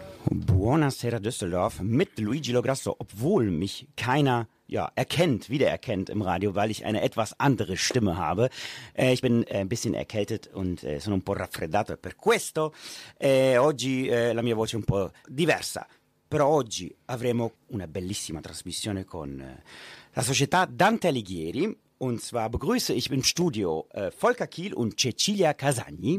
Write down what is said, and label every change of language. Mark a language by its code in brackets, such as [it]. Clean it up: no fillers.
[de] Buonasera Düsseldorf mit Luigi Lograsso, obwohl mich keiner wiedererkennt im Radio, weil ich eine etwas andere Stimme habe. Ich bin ein bisschen erkältet und [it] sono un po' raffreddato per questo. Oggi la mia voce è un po' diversa, però oggi avremo una bellissima trasmissione con la società Dante Alighieri. [de] Und zwar begrüße ich im Studio Volker Kiel und Cecilia Casagni.